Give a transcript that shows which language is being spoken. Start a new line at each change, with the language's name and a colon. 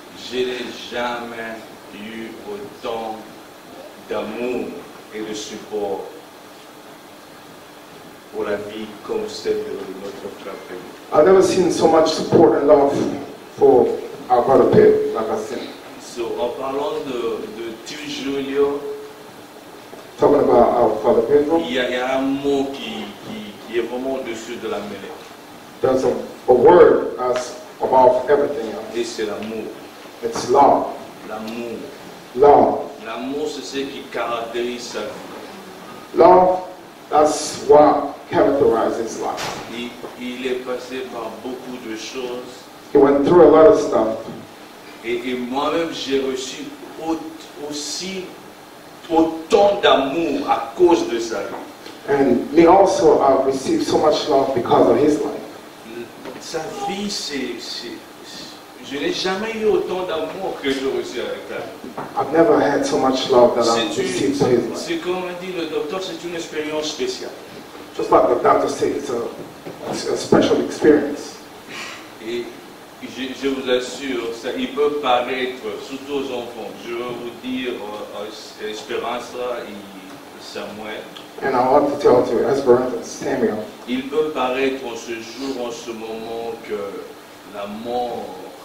French: Je n'ai jamais eu autant d'amour et de support pour la vie comme celle de notre frère.
English: I've never seen so much support and love for our brother Pedro, like I said.
French: So, en parlant de Tio Julio,
English: talking about our father Pedro,
French: y a un mot qui est vraiment au-dessus de la mêlée.
English: There's a word that's above everything else.
French: Et c'est l'amour.
English: It's love.
French: L'amour.
English: Love.
French: L'amour, c'est ce qui caractérise sa vie.
English: Love, that's what characterizes life.
French: Il est passé par beaucoup de choses.
English: He went through a lot of stuff.
French: Et moi-même, j'ai reçu aussi autant d'amour à cause de sa vie.
English: And me also, I received so much love because of his life.
French: Sa vie, c'est je n'ai jamais eu autant d'amour que je reçois avec elle.
English: I've never had so much love that I've received to his life.
French: C'est comme a dit le docteur, c'est une expérience spéciale.
English: Just like the doctor said, it's a special experience.
French: Et je vous assure, ça, il peut paraître, surtout aux enfants, je veux vous dire, Esperanza et Samuel.
English: And I want to tell to Esperanza and Samuel.
French: Il peut paraître en ce jour, en ce moment, que la mort,